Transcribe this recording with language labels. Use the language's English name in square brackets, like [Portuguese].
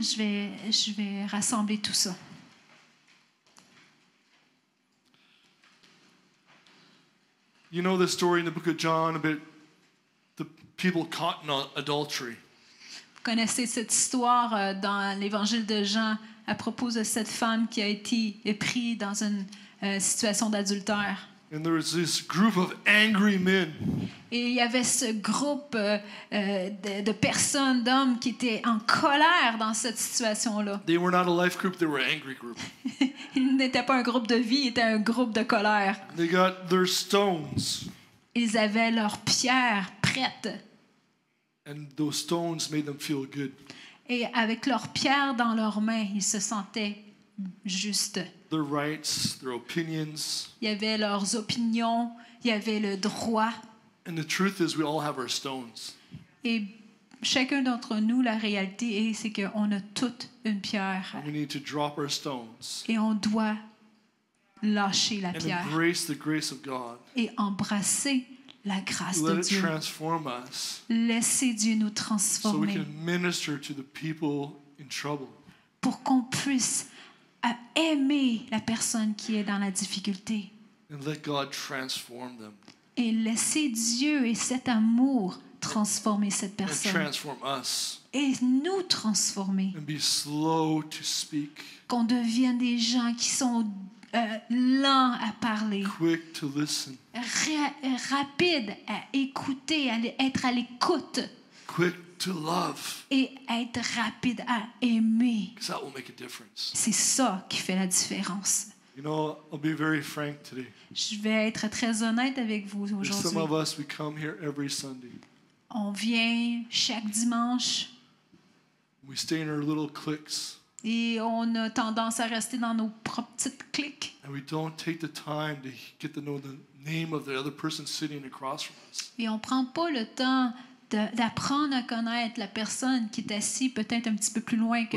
[French] Je vais rassembler tout ça. [English] You know the story in the book of John about people caught in adultery. [French] Vous connaissez cette histoire dans l'évangile de Jean à propos de cette femme qui a été prise dans une situation d'adultère. [English] And there was this group of angry men. [French] Et il y avait ce groupe de personnes, d'hommes qui étaient en colère dans cette situation-là. [English] They were not a life group, they were an angry group. [French] Ils n'étaient pas un groupe de vie, ils étaient un groupe de colère. [English] They got their stones. [French] Ils avaient leurs pierres. [English] And those stones made them feel good. [French] Et avec leurs pierres dans leurs mains, ils se sentaient justes. [English] Their rights, their opinions. [French] Il y avait leurs opinions, il y avait le droit. [English] And the truth is, we all have our stones. [French] Et chacun d'entre nous, la réalité est, c'est qu'on a toutes une pierre. [English] And we need to drop our stones. [French] Et on doit lâcher la pierre. [English] And embrace the grace of God. [French] Et embrasser la grâce [English] let [French] de Dieu. [English] It transform us. [French] Laissez Dieu nous transformer. [English] So we can minister to the people in trouble. [French] Pour qu'on puisse aimer la personne qui est dans la difficulté. [English] And let God transform them. [French] Et laissez Dieu et cet amour transformer cette personne. [English] And transform us. [French] Et nous transformer. [English] And be slow to speak. [French] Qu'on devienne des gens qui sont lent à parler. [English] Quick to listen. [French] Rapide à écouter, à être à l'écoute. [English] Quick to love. [French] Et être rapide à aimer. [English] That will make a difference. [French] C'est ça qui fait la différence. [English] You know, I'll be very frank today. [French] Je vais être très honnête avec vous aujourd'hui. [English] Some of us, we come here every Sunday. [French] On vient chaque dimanche. [English] We stay in our little cliques. [French] Et on a tendance à rester dans nos propres petites cliques. [English] And we don't take the time to get to know the name of the other person sitting across from us. [French] Et on prend pas le temps d'apprendre à connaître la personne qui est assise peut-être un petit peu plus loin que